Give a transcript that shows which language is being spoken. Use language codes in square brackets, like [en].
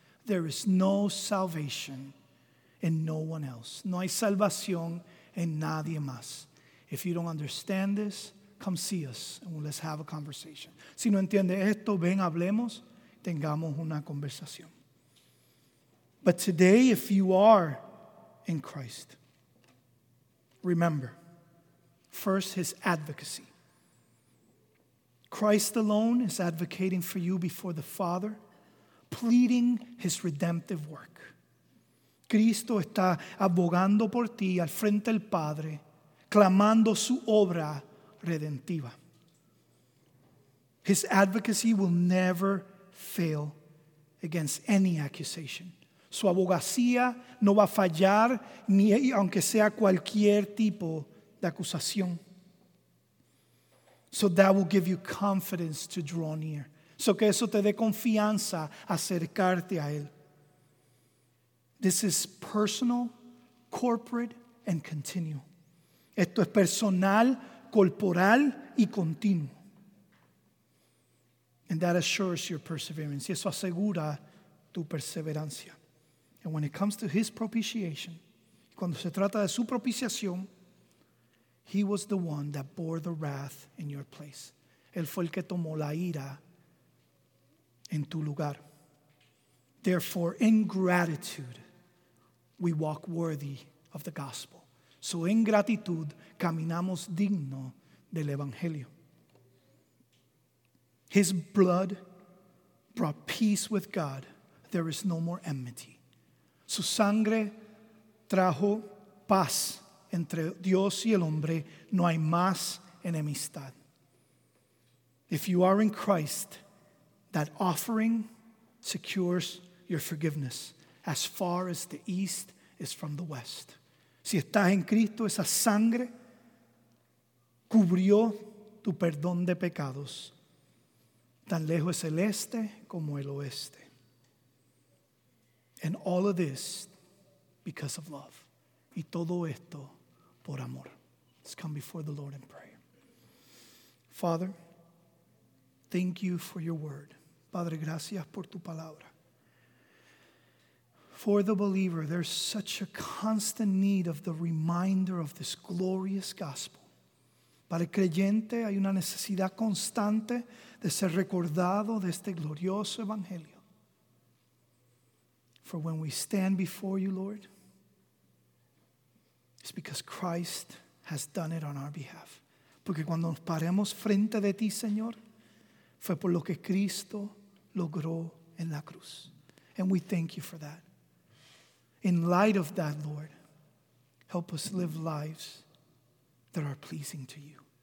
[en] There is no salvation in no one else. [es] No hay salvación en nadie más. [en] If you don't understand this, come see us and let's have a conversation. [es] Si no entiende esto, ven, hablemos, tengamos una conversación. [en] But today, if you are in Christ, remember, first, his advocacy. Christ alone is advocating for you before the Father, pleading his redemptive work. [es] Cristo está abogando por ti al frente del Padre, clamando su obra redentiva. [en] His advocacy will never fail against any accusation. [es] Su abogacía no va a fallar ni aunque sea cualquier tipo de acusación. [en] So that will give you confidence to draw near. [es] So que eso te dé confianza acercarte a él. [en] This is personal, corporate, and continual. [es] Esto es personal, corporal, y continuo. [en] And that assures your perseverance. [es] Y eso asegura tu perseverancia. [en] And when it comes to his propitiation, [es] cuando se trata de su propiciación, [en] he was the one that bore the wrath in your place. [es] Él fue el que tomó la ira en tu lugar. [en] Therefore, in gratitude, we walk worthy of the gospel. [es] So in gratitud, caminamos digno del evangelio. [en] His blood brought peace with God. There is no more enmity. [es] Su sangre trajo paz entre Dios y el hombre. No hay más enemistad. [en] If you are in Christ, that offering secures your forgiveness as far as the east is from the west. [es] Si estás en Cristo, esa sangre cubrió tu perdón de pecados. Tan lejos es el este como el oeste. [en] And all of this because of love. [es] Y todo esto por amor. [en] Let's come before the Lord in prayer. Father, thank you for your word. [es] Padre, gracias por tu palabra. [en] For the believer, there's such a constant need of the reminder of this glorious gospel. [es] Para el creyente, hay una necesidad constante de ser recordado de este glorioso evangelio. [en] For when we stand before you, Lord, it's because Christ has done it on our behalf. [es] Porque cuando nos paremos frente de ti, Señor, fue por lo que Cristo logró en la cruz. [en] And we thank you for that. In light of that, Lord, help us live lives that are pleasing to you.